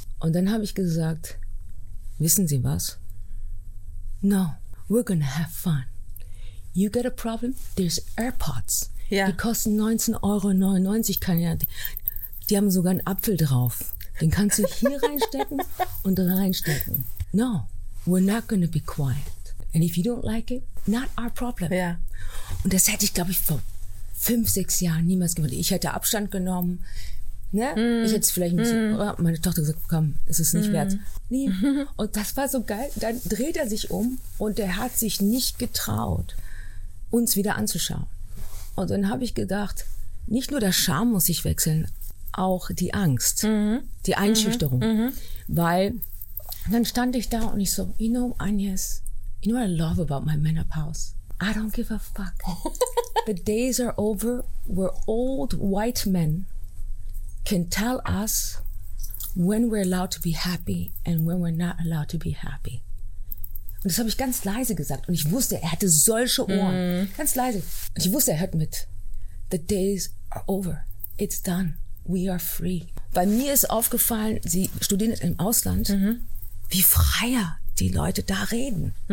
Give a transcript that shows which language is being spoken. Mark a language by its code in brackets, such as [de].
[de] Und dann habe ich gesagt, wissen Sie was? [en] No, we're gonna have fun. You get a problem? There's AirPods. Yeah. [de] Die kosten 19,99 €. Die haben sogar einen Apfel drauf. Den kannst du hier reinstecken und da reinstecken. [en] No, we're not going to be quiet. And if you don't like it, not our problem. Yeah. [de] Und das hätte ich, glaube ich, vor 5, 6 Jahren niemals gemacht. Ich hätte Abstand genommen. Ne? Ich hätte es vielleicht ein bisschen, meine Tochter gesagt, komm, es ist nicht wert. Nee. Und das war so geil. Dann dreht er sich um und er hat sich nicht getraut, uns wieder anzuschauen. Und dann habe ich gedacht, nicht nur der Scham muss sich wechseln, auch die Angst, die Einschüchterung. Weil dann stand ich da und ich so, [en] you know, Agnes, you know what I love about my menopause? I don't give a fuck. The days are over where old white men can tell us when we're allowed to be happy and when we're not allowed to be happy. [de] Und das habe ich ganz leise gesagt. Und ich wusste, er hatte solche Ohren. Ganz leise. Und ich wusste, er hört mit. [en] The days are over. It's done. We are free. [de] Bei mir ist aufgefallen, sie studiert im Ausland, wie freier die Leute da reden.